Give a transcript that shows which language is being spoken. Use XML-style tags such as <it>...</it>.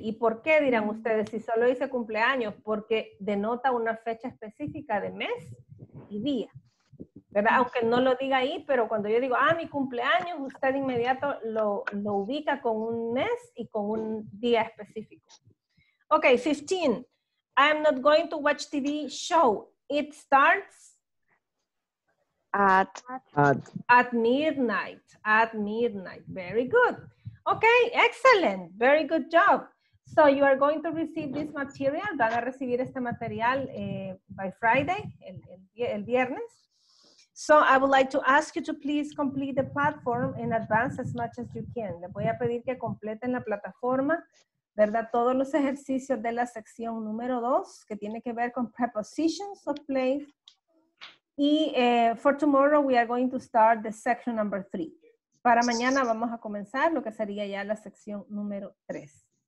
<es>¿Y por qué dirán ustedes si solo dice cumpleaños? Porque denota una fecha específica de mes y día, ¿verdad? Aunque no lo diga ahí, pero cuando yo digo, ah, mi cumpleaños, usted inmediato lo ubica con un mes y con un día específico. Ok, 15.</es> <en>I am not going to watch TV show. It starts At midnight. At midnight. Very good. Okay, excellent. Very good job. So you are going to receive this material.</en> <es>Van a recibir este material</es> <en>by Friday,</en> <es>el viernes.</es> <en>So I would like to ask you to please complete the platform in advance as much as you can.</en> <es>Les voy a pedir que completen la plataforma, ¿verdad? Todos los ejercicios de la sección número 2, que tiene que ver con</es> <en>prepositions of place. Y for tomorrow we are going to start the section number 3.</en> <es>Para mañana vamos a comenzar lo que sería ya la sección número 3.</es>